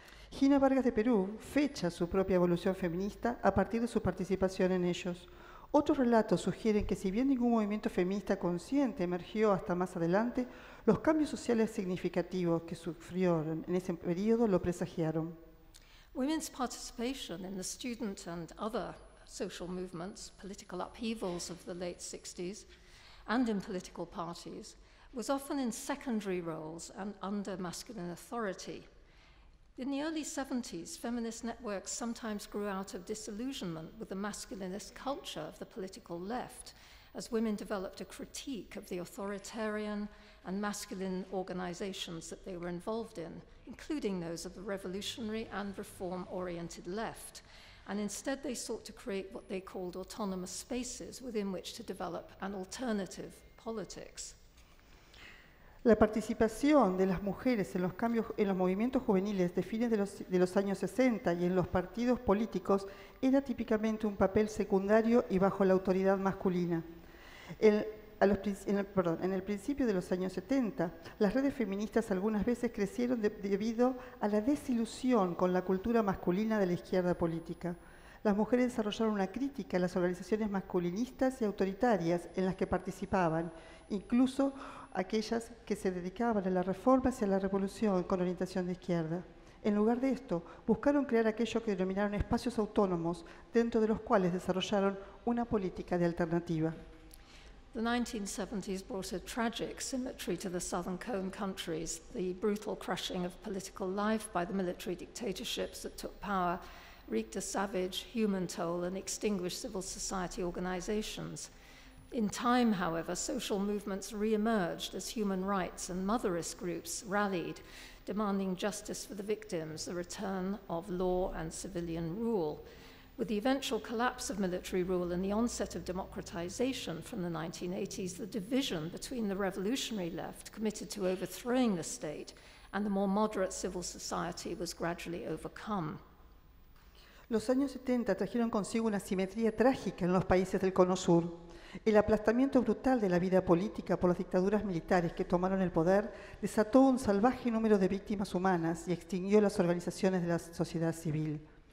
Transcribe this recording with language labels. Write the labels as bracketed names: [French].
[Spanish] Gina Vargas de Perú fecha su propia evolución feminista a partir de su participación en ellos. Otros relatos sugieren que si bien ningún movimiento feminista consciente emergió hasta más adelante, los cambios sociales significativos que sufrieron en ese periodo lo presagiaron. [English] Women's participation in the student and other social movements, political upheavals of the late 60s, and in political parties, was often in secondary roles and under masculine authority. In the early 70s, feminist networks sometimes grew out of disillusionment with the masculinist culture of the political left, as women developed a critique of the authoritarian and masculine organizations that they were involved in, including those of the revolutionary and reform-oriented left. And instead, they sought to create what they called autonomous spaces within which to develop an alternative politics. [Spanish] La participación de las mujeres en los cambios en los movimientos juveniles de fines de los años 60 y en los partidos políticos era típicamente un papel secundario y bajo la autoridad masculina. En el principio de los años 70, las redes feministas algunas veces crecieron debido a la desilusión con la cultura masculina de la izquierda política. Las mujeres desarrollaron una crítica a las organizaciones masculinistas y autoritarias en las que participaban, incluso aquellas que se dedicaban a la reforma hacia la revolución con orientación de izquierda. En lugar de esto, buscaron crear aquello que denominaron espacios autónomos, dentro de los cuales desarrollaron una política de alternativa. [English] The 1970s brought a tragic symmetry to the Southern Cone countries, the brutal crushing of political life by the military dictatorships that took power, wreaked a savage human toll and extinguished civil society organizations. In time, however, social movements reemerged as human rights and motherist groups rallied, demanding justice for the victims, the return of law and civilian rule. With the eventual collapse of military rule and the onset of democratization from the 1980s, the division between the revolutionary left, committed to overthrowing the state, and the more moderate civil society was gradually overcome. [Spanish] Los años 70 trajeron consigo una simetría trágica en los países del Cono Sur. El aplastamiento brutal de la vida política por las dictaduras militares que tomaron el poder desató un salvaje número de víctimas humanas y extinguió las organizaciones de la sociedad civil.